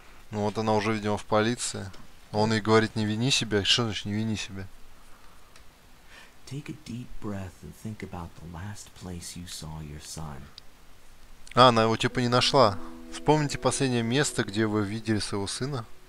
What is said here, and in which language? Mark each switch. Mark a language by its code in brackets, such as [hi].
[ru] Ну вот она уже, видимо, в полиции. Он ей говорит, не вини себя. Что значит не вини себя? [en] Take a deep breath and think about the last place you saw your son. [ru] А, она его типа не нашла. Вспомните последнее место, где вы видели своего сына.